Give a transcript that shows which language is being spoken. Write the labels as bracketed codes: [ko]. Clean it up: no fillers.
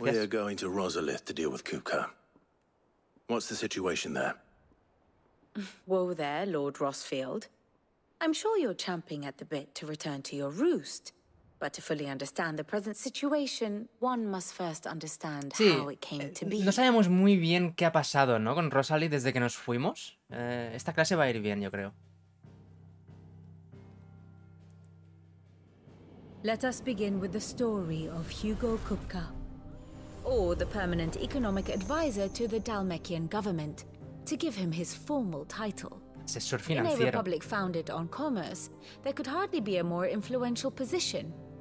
[en] We're going to Rosaleth to deal with Kupka. What's the situation there? Woe there, Lord Rossfield. I'm sure you're champing at the bit to return to your roost. But to fully understand the present situation, one must first understand [es] sí. [en] How it came to be. [es] No sabemos muy bien qué ha pasado, ¿no? Con Rosalie desde que nos fuimos. Esta clase va a ir bien, yo creo. [en] Let us begin with the story of Hugo Kupka, or the permanent economic advisor to the Dalmekian government, to give him his formal title. In a republic founded on commerce, there could hardly be a more influential position.